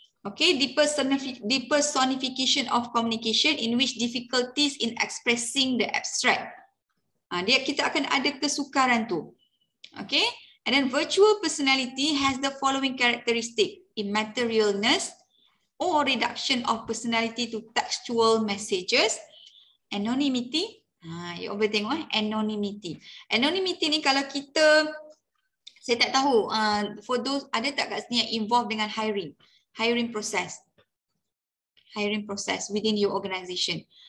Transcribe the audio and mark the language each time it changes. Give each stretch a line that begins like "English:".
English: Okay, depersonification of communication in which difficulties in expressing the abstract.
Malay: Kita akan ada kesukaran tu.
English: Okay, and then virtual personality has the following characteristic: immaterialness or reduction of personality to textual messages, anonymity.
Malay: You boleh tengok anonymity. Anonymity ni kalau kita, saya tak tahu,
English: for those,
Malay: ada tak kat sini yang involved dengan
English: hiring process within your organisation.